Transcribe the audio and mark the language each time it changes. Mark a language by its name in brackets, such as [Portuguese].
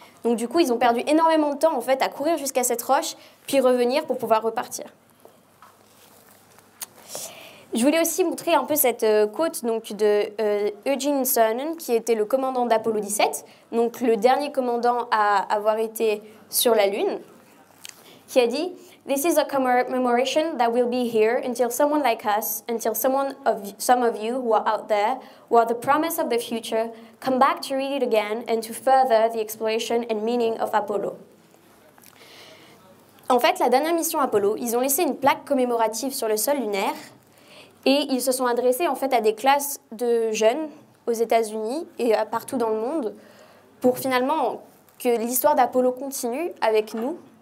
[French] Donc du coup, ils ont perdu énormément de temps en fait à courir jusqu'à cette roche, puis revenir pour pouvoir repartir. Je voulais aussi montrer un peu cette quote donc, de Eugene Cernan, qui était le commandant d'Apollo 17, donc le dernier commandant à avoir été sur la Lune, qui a dit « [English] This is a commemoration that will be here until someone like us, until someone of some of you who are out there, who are the promise of the future, come back to read it again and to further the exploration and meaning of Apollo. [French] En fait, la dernière mission Apollo, ils ont laissé une plaque commémorative sur le sol lunaire et ils se sont adressés en fait à des classes de jeunes aux États-Unis et partout dans le monde pour finalement que l'histoire d'Apollo continue avec nous.